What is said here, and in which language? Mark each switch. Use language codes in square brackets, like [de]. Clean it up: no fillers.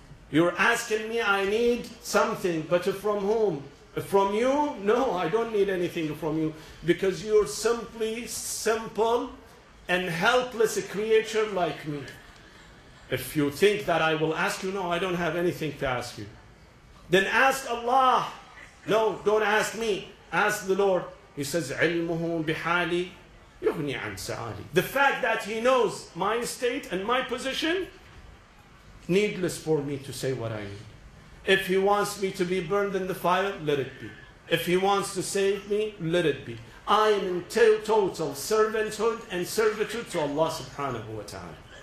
[en] You're asking me I need something, but from whom? From you? No, I don't need anything from you, because you're simply simple and helpless a creature like me. If you think that I will ask you, no, I don't have anything to ask you. Then ask Allah. No, don't ask me. Ask the Lord. He says, [ar] عِلْمُهُ بِحَالِي يُغْنِي عَنْ سَعَالِي. [en] The fact that he knows my state and my position, needless for me to say what I need. If he wants me to be burned in the fire, let it be. If he wants to save me, let it be. I am in total servanthood and servitude to Allah subhanahu wa ta'ala.